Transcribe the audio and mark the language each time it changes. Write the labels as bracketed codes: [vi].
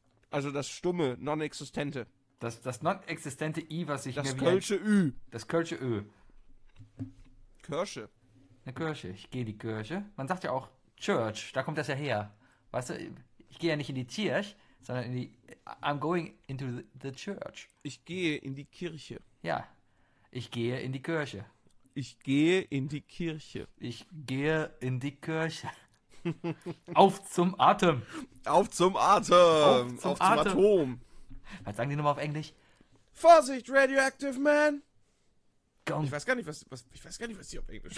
[de] Also das stumme, non-existente. Das non-existente I, was ich das mir... Kölsche wie ein, das kölsche Ü. Das kölsche Ö. Kirche. Eine Kirche. Ich gehe in die Kirche. Man sagt ja auch Church. Da kommt das ja her. Weißt du, ich gehe ja nicht in die Kirche. Sondern in die, [en] I'm going into the church. [de] Ich gehe in die Kirche. Ja, ich gehe in die Kirche. Ich gehe in die Kirche. Ich gehe in die Kirche. Auf zum Atem. Auf zum Atem. Auf zum Atom. Was sagen die nochmal auf Englisch? Vorsicht, Radioactive Man. Ich weiß gar nicht, was die auf Englisch